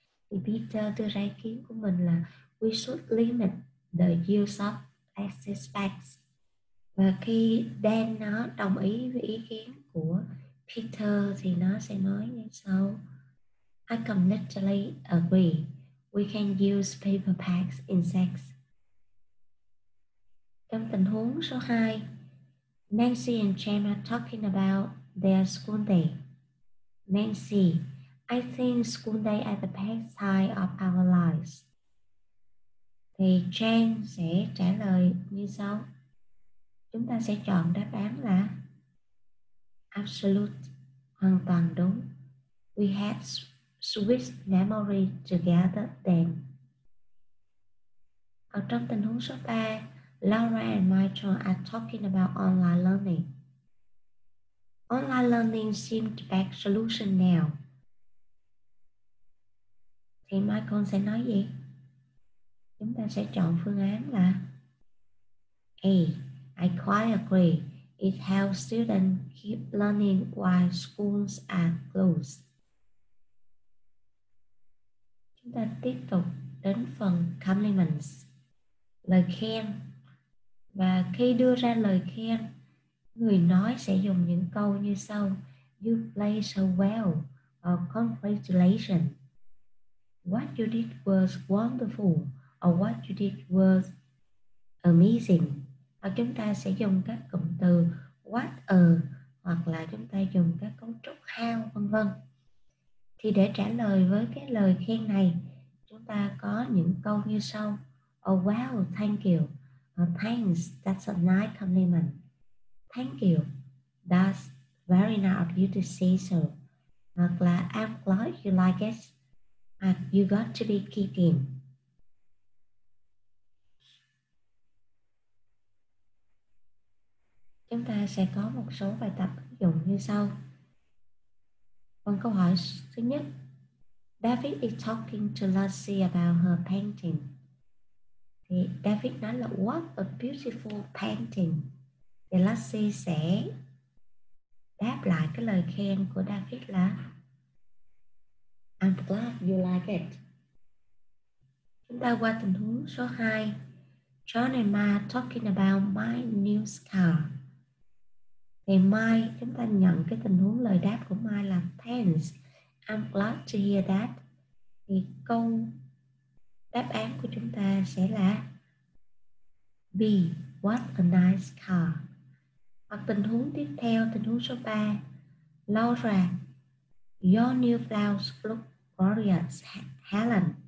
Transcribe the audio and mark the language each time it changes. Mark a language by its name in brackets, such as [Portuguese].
[Vietnamese] Thì Peter đưa ra ý kiến của mình là [English] we should limit the use of plastic bags. [Vietnamese] Và khi Dana đồng ý với ý kiến của Peter thì nó sẽ nói như sau: [English] I completely agree. We can use paper bags instead. [Vietnamese] Trong tình huống số 2, [English] Nancy and Jim are talking about their school day. Nancy, I think school day is the best time of our lives. [Vietnamese] Thì Jim sẽ trả lời như sau. Chúng ta sẽ chọn đáp án là absolute, hoàn toàn đúng. [English] We had sweet memory together then. [Vietnamese] Ở trong tình huống số 3, [English] Laura and Michael are talking about online learning. Online learning seems the best solution now. [Vietnamese] Thì Michael sẽ nói gì? Chúng ta sẽ chọn phương án là A. [English] I quite agree. It helps students keep learning while schools are closed. [Vietnamese] Chúng ta tiếp tục đến phần compliments. Lời khen. Và khi đưa ra lời khen, người nói sẽ dùng những câu như sau: [English] You play so well, or congratulations. What you did was wonderful, or what you did was amazing. [Vietnamese] Và chúng ta sẽ dùng các cụm từ what a, hoặc là chúng ta dùng các cấu trúc how, vân vân. Thì để trả lời với cái lời khen này, chúng ta có những câu như sau. [English] Oh wow, thank you. Thanks, that's a nice compliment. Thank you, that's very nice of you to say so. [Vietnamese] Hoặc là [English] I'm glad you like it. And you got to be kidding. [Vietnamese] Chúng ta sẽ có một số bài tập ứng dụng như sau. Phần câu hỏi thứ nhất. [English] David is talking to Lucy about her painting. [Vietnamese] Thì David nói là [English] what a beautiful painting. [Vietnamese] Thì Lucy sẽ đáp lại cái lời khen của David là [English] I'm glad you like it. [Vietnamese] Chúng ta qua tình huống số 2. [English] John and Ma talking about my new car. [Vietnamese] Thì Mai, chúng ta nhận cái tình huống lời đáp của Mai là [English] thanks, I'm glad to hear that. [Vietnamese] Thì câu đáp án của chúng ta sẽ là B, [English] what a nice car. [Vietnamese] Hoặc tình huống tiếp theo, tình huống số 3. [English] Laura, your new flowers look gorgeous, Helen.